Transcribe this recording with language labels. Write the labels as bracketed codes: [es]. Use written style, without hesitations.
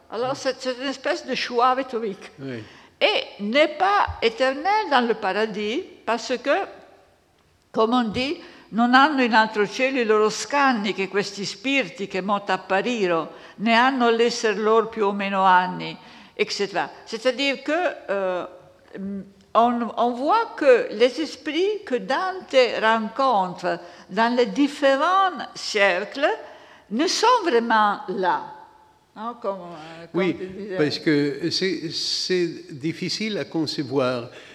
[fr] Alors, c'est une espèce de choix rhétorique. Oui. Et n'est pas éternel dans le paradis, parce que, comme on dit, [it] non hanno in altro cielo i loro scanni che questi spiriti che molto appariro, ne hanno l'esser loro più o meno anni, etc. [fr] C'est-à-dire que on voit que les esprits que Dante rencontre dans les différents cercles ne sont vraiment là. Non, comme oui, parce que c'est difficile à concevoir.